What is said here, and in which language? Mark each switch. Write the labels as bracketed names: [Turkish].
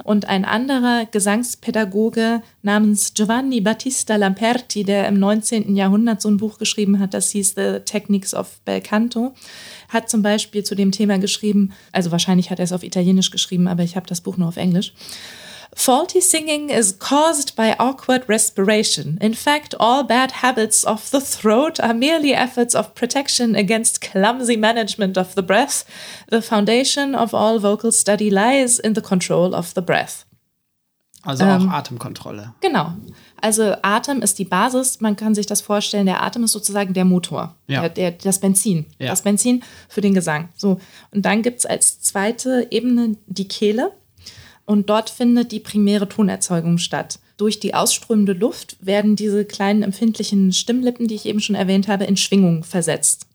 [German] Und ein anderer Gesangspädagoge namens Giovanni Battista Lamperti, der im 19. Jahrhundert so ein Buch geschrieben hat, das hieß The Techniques of Bel Canto, hat zum Beispiel zu dem Thema geschrieben, also wahrscheinlich hat er es auf Italienisch geschrieben, aber ich habe das Buch nur auf Englisch. [English] Faulty singing is caused by awkward respiration. In fact, all bad habits of the throat are merely efforts of protection against clumsy management of the breath. The foundation of all vocal study lies in the control of the breath. [German] Also auch Atemkontrolle. Genau. Also Atem ist die Basis. Man kann sich das vorstellen, der Atem ist sozusagen der Motor. Ja. Das Benzin. Ja. Das Benzin für den Gesang. So. Und dann gibt es als zweite Ebene die Kehle. Und dort findet die primäre Tonerzeugung statt. Durch die ausströmende Luft werden diese kleinen empfindlichen Stimmlippen, die ich eben schon erwähnt habe, in Schwingung versetzt.